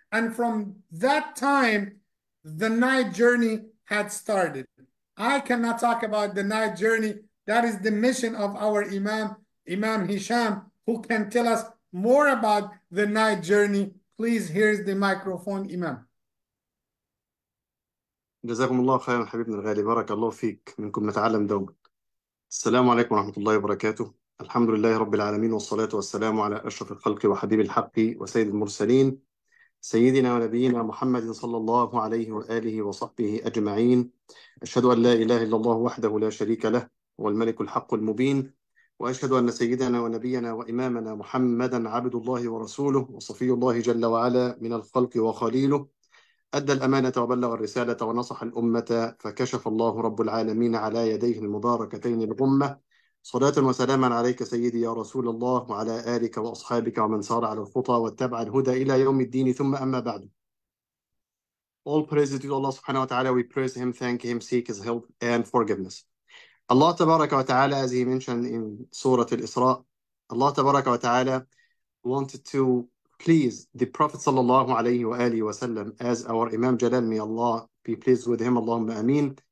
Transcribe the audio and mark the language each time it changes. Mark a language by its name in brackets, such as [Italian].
[English] And from that time, the night journey had started. I cannot talk about the night journey. That is the mission of our Imam, Imam Hisham, who can tell us more about the night journey. Please, here's the microphone, Imam. [Arabic] جزاكم الله خيرا حبيبنا الغالي، بارك الله فيك، منكم نتعلم دوما. السلام عليكم ورحمة الله وبركاته. الحمد لله رب العالمين، والصلاة والسلام على أشرف الخلق وحبيب الحق وسيد المرسلين، سيدنا ونبينا محمد صلى الله عليه وآله وصحبه أجمعين. أشهد أن لا إله إلا الله وحده لا شريك له، هو الملك الحق المبين، وأشهد أن سيدنا ونبينا وإمامنا محمدا عبد الله ورسوله وصفي الله جل وعلا من الخلق وخليله، أدى الأمانة وبلغ الرسالة ونصح الأمة، فكشف الله رب العالمين على يديه المباركتين الغمة. صلاة وسلام عليك سيدي يا رسول الله وعلى آلك وأصحابك ومن سار على الخطى واتبع الهدى إلى يوم الدين. ثم أما بعد، [English] All praises to Allah subhanahu wa ta'ala. We praise him, thank him, seek his help and forgiveness. Allah [Arabic] تبارك وتعالى, [English] as he mentioned in Surah Al-Isra, Allah تبارك وتعالى wanted to please the Prophet sallallahu alayhi wa alihi wa sallam, as our Imam Jalal, may Allah be pleased with him, Allahumma ameen.